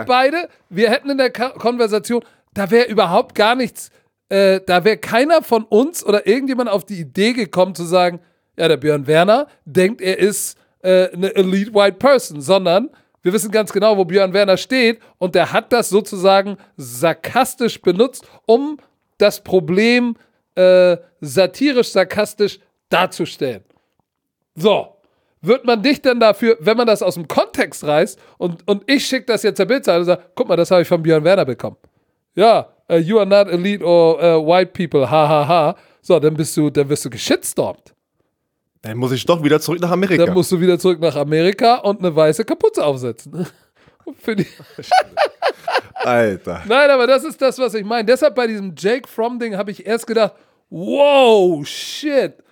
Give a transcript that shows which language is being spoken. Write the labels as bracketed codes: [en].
[de] beide, wir hätten in der Konversation, da wäre überhaupt gar nichts, da wäre keiner von uns oder irgendjemand auf die Idee gekommen zu sagen, ja, der Björn Werner denkt, er ist eine Elite White Person, sondern wir wissen ganz genau, wo Björn Werner steht und der hat das sozusagen sarkastisch benutzt, um das Problem satirisch, sarkastisch darzustellen. So, wird man dich denn dafür, wenn man das aus dem Kontext reißt und ich schicke das jetzt der Bildzeitung und sage, guck mal, das habe ich von Björn Werner bekommen. [en] Ja, you are not elite or white people, ha, ha, ha. [de] So, dann bist du geshitstormt. Dann muss ich doch wieder zurück nach Amerika. Dann musst du wieder zurück nach Amerika und eine weiße Kapuze aufsetzen. Alter. Nein, aber das ist das, was ich meine. Deshalb bei diesem Jake Fromm-Ding habe ich erst gedacht, wow, shit.